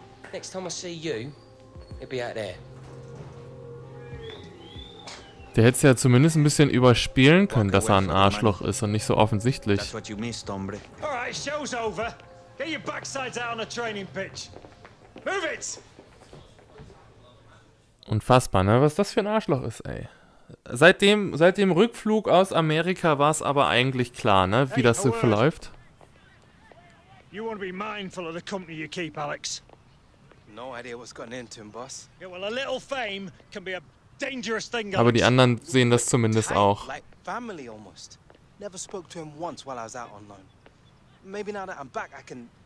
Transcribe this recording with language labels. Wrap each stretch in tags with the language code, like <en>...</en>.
<en>Next time I see you, it'll be out there.</en> <de>Der hätte es ja zumindest ein bisschen überspielen können, dass er ein Arschloch ist und nicht so offensichtlich.</de> <en>Alright, show's over. Get your backside out on the training pitch. Move it!</en> <de>Unfassbar, ne? Was das für ein Arschloch ist, ey. Seit dem Rückflug aus Amerika war es aber eigentlich klar, ne? Wie das so verläuft.</de> <en>You want to be mindful of the company you keep, Alex. No idea what's gotten into him, boss. Yeah, well, a little fame can be a dangerous thing.</en> <de>Aber die anderen sehen das zumindest auch.</de> <en>Like family almost. Never spoke to him once while I was out on loan. Maybe now that I'm back, I can.</en>